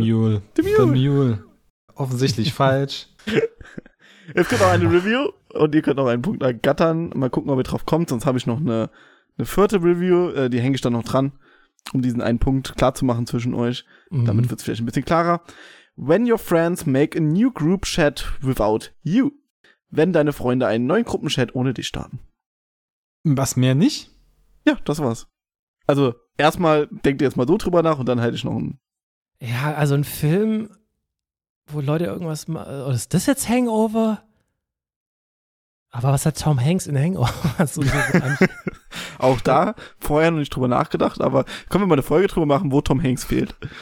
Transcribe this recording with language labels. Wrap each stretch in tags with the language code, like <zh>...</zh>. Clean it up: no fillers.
<de>The Mule. Offensichtlich falsch. Es gibt auch eine Review und ihr könnt auch einen Punkt ergattern. Mal gucken, ob ihr drauf kommt. Sonst habe ich noch eine vierte Review. Die hänge ich dann noch dran, um diesen einen Punkt klar zu machen zwischen euch. Mhm. Damit wird es vielleicht ein bisschen klarer.</de> <en>When your friends make a new group chat without you.</en> <de>Wenn deine Freunde einen neuen Gruppenchat ohne dich starten. Was, mehr nicht? Ja, das war's. Also, erstmal denkt ihr erstmal so drüber nach und dann halte ich noch einen. Ja, also ein Film, wo Leute irgendwas machen. Ist das jetzt Hangover? Aber was hat Tom Hanks in Hangover? Auch da vorher noch nicht drüber nachgedacht, aber können wir mal eine Folge drüber machen, wo Tom Hanks fehlt?</de>